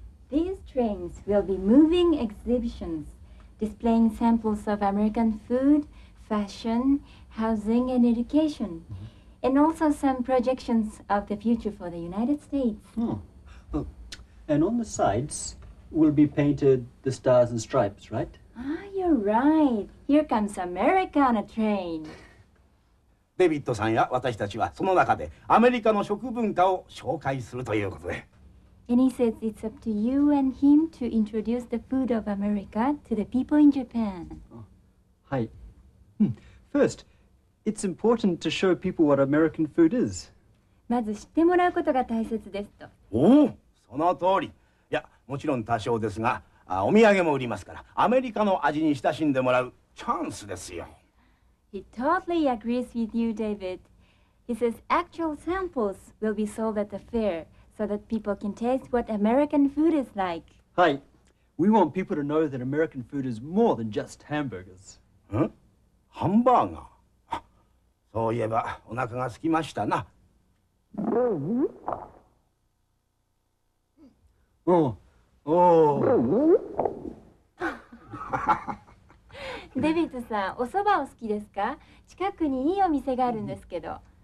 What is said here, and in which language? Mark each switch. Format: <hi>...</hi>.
<en>These trains will be moving exhibitions displaying samples of American food, fashion, housing, and education, and also some projections of the future for the United States. Oh. And on the sides will be painted the stars and stripes, right? Ah, you're right. Here comes America on a train.</en> <ja>デビッドさんや私たちはその中でアメリカの食文化を紹介するということで。</ja> <en>And he says it's up to you and him to introduce the food of America to the people in Japan.</en> <ja>はい。</ja> <en>First, it's important to show people what American food is.</en> <ja>まず知ってもらうことが大切ですと。おお、その通り。いや、もちろん多少ですが。Ah, お土産も売りますから、アメリカの味に親しんでもらうチャンスですよ。</ja> <en>He totally agrees with you, David. He says actual samples will be sold at the fair so that people can taste what American food is like.</en> <ja>はい。</ja> <en>We want people to know that American food is more than just hamburgers.</en> <ja>ハンバーガー。そういえば、お腹が空きましたな。うん。デビッドさん、お蕎麦を好きですか?近くにいいお店があるんですけど。</ja>